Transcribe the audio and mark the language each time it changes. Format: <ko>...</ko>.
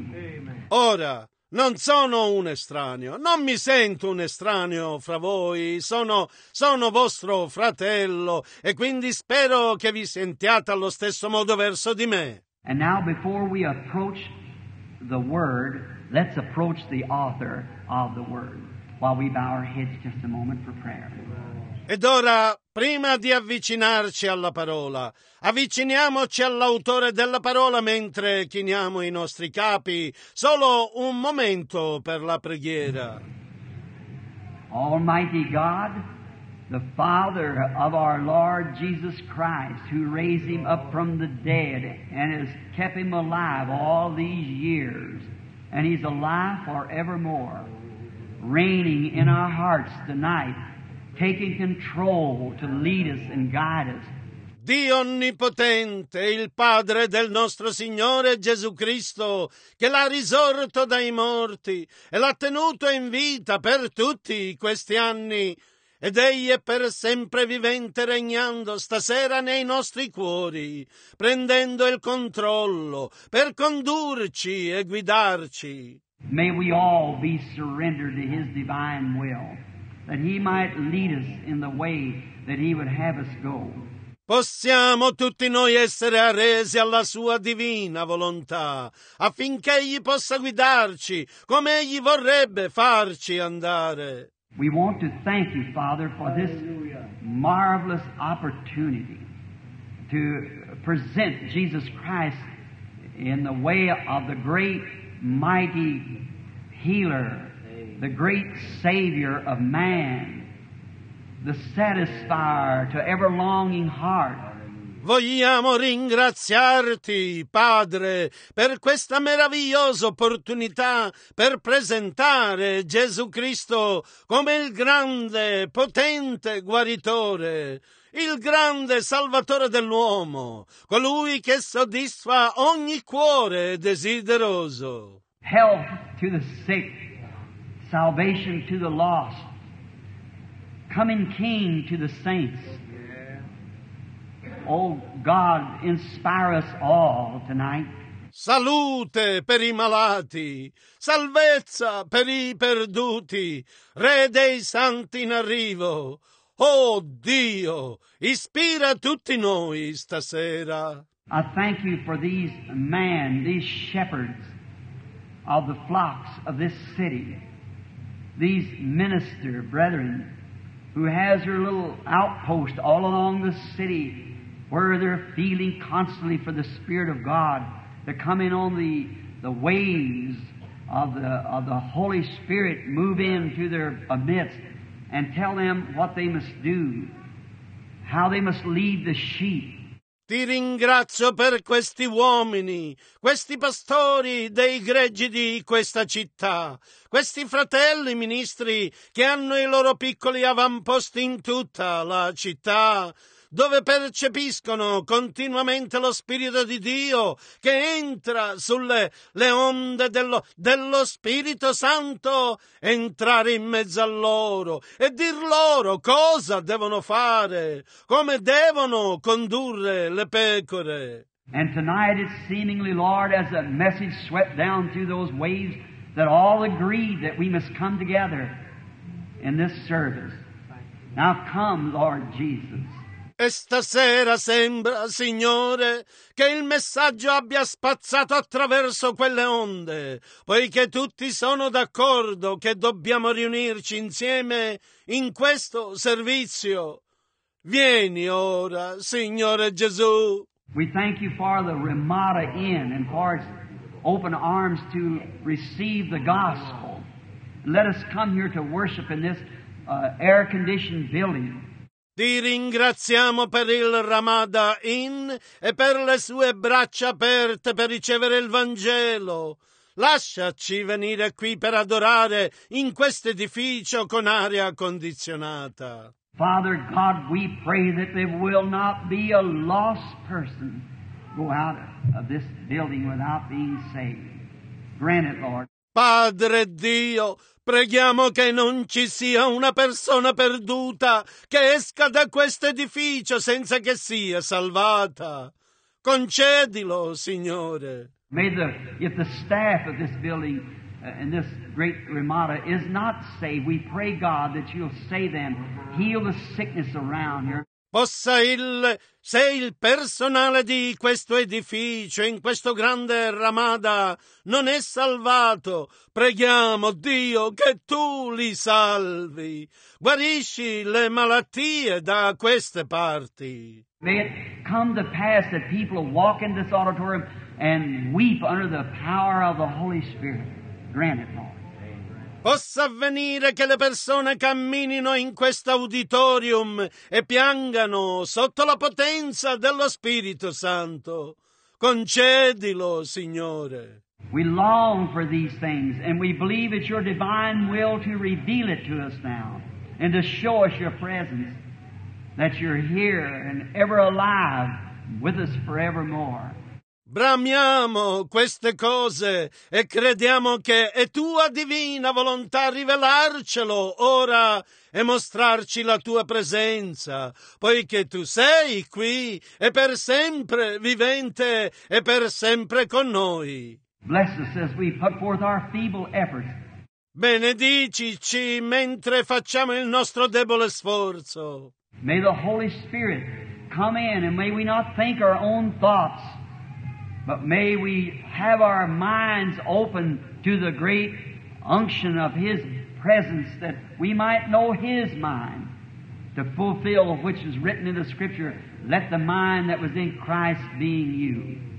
<it>Amen. Ora, non sono un estraneo, non mi sento un estraneo fra voi, sono vostro fratello e quindi spero che vi sentiate allo stesso modo verso di me.</it> <en>And now before we approach the word, let's approach the author of the word while we bow our heads just a moment for prayer.</en> <it>Ed ora, prima di avvicinarci alla parola, avviciniamoci all'autore della parola mentre chiniamo i nostri capi. Solo un momento per la preghiera.</it> <en>Almighty God, the Father of our Lord Jesus Christ, who raised him up from the dead and has kept him alive all these years, and he's alive forevermore. reigning in our hearts tonight, taking control to lead us and guide us.</en> <it>Dio Onnipotente, il Padre del nostro Signore Gesù Cristo, che l'ha risorto dai morti e l'ha tenuto in vita per tutti questi anni, ed Egli è per sempre vivente regnando stasera nei nostri cuori, prendendo il controllo per condurci e guidarci.</it> <en>May we all be surrendered to His divine will, that He might lead us in the way that He would have us go.</en> <it>Possiamo tutti noi essere arresi alla Sua divina volontà, affinché Egli possa guidarci come Egli vorrebbe farci andare.</it> <en>We want to thank You, Father, for this marvelous opportunity to present Jesus Christ in the way of the great, mighty healer, the great Savior of man, the satisfier to every longing heart.</en> <it>Vogliamo ringraziarti, Padre, per questa meravigliosa opportunità per presentare Gesù Cristo come il grande, potente guaritore, il grande salvatore dell'uomo, colui che soddisfa ogni cuore desideroso.</it> <en>Health to the sick, salvation to the lost, coming King to the saints. Oh God, inspire us all tonight.</en> <it>Salute per i malati, salvezza per i perduti, Re dei Santi in arrivo. Oh Dio, ispira tutti noi stasera.</it> <en>I thank You for these men, these shepherds of the flocks of this city, these minister brethren who has their little outpost all along the city, where they're feeling constantly for the Spirit of God. They're coming on the waves of the Holy Spirit, move in through their midst and tell them what they must do, how they must lead the sheep.</en> <it>Ti ringrazio per questi uomini, questi pastori dei gregi di questa città, questi fratelli ministri che hanno i loro piccoli avamposti in tutta la città, dove percepiscono continuamente lo Spirito di Dio che entra sulle le onde dello Spirito Santo, entrare in mezzo a loro e dir loro cosa devono fare, come devono condurre le pecore.</it> <en>And tonight it's seemingly, Lord, as a message swept down through those waves, that all agreed that we must come together in this service. Now come, Lord Jesus.</en> <it>E stasera sembra, Signore, che il messaggio abbia spazzato attraverso quelle onde, poiché tutti sono d'accordo che dobbiamo riunirci insieme in questo servizio. Vieni ora, Signore Gesù.</it> <en>We thank You for the Ramada Inn and for its open arms to receive the gospel. Let us come here to worship in this air-conditioned building.</en> <it>Ti ringraziamo per il Ramada Inn e per le sue braccia aperte per ricevere il Vangelo. Lasciaci venire qui per adorare in questo edificio con aria condizionata.</it> <en>Father God, we pray that there will not be a lost person go out of this building without being saved. Grant it, Lord.</en> <it>Padre Dio, preghiamo che non ci sia una persona perduta che esca da questo edificio senza che sia salvata. Concedilo, Signore.</it> <en>May the, if the staff of this building and this great Ramada is not saved, we pray, God, that You'll save them, heal the sickness around here.</en> <it>Possa il, se il personale di questo edificio, in questo grande Ramada, non è salvato, preghiamo, Dio, che Tu li salvi. Guarisci le malattie da queste parti.</it> <en>May it come to pass that people walk in this auditorium and weep under the power of the Holy Spirit. Grant it, Lord.</en> <it>Possa avvenire che le persone camminino in questo auditorium e piangano sotto la potenza dello Spirito Santo. Concedilo, Signore.</it> <en>We long for these things, and we believe it's your divine will to reveal it to us now and to show us your presence, that you're here and ever alive with us forevermore.</en> <it>Bramiamo queste cose e crediamo che è tua divina volontà rivelarcelo ora e mostrarci la tua presenza, poiché tu sei qui e per sempre vivente e per sempre con noi.</it> <en>Bless us as we put forth our feeble effort.</en> <it>Benedicici mentre facciamo il nostro debole sforzo.</it> <en>May the Holy Spirit come in, and may we not think our own thoughts, but may we have our minds open to the great unction of His presence, that we might know His mind, to fulfill which is written in the Scripture, let the mind that was in Christ be in you.</en>